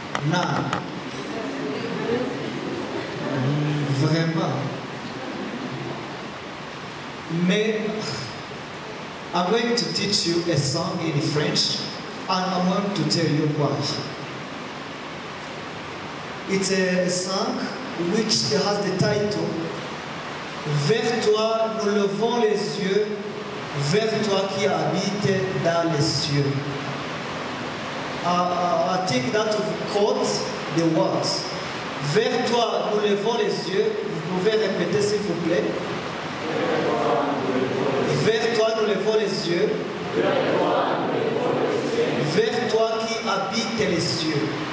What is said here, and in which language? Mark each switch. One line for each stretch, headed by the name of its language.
English: Now,
French: vraiment. Mais
English: I'm going to teach you a song in French, and I'm going to tell you why. It's a song which has the title
French: Vers toi nous levons les yeux, vers toi qui habite dans les cieux.
English: I think that quotes the words.
French: Vers toi nous levons les yeux. Vous pouvez répéter s'il vous plaît. Vers toi nous levons les yeux. Vers toi qui habite les cieux.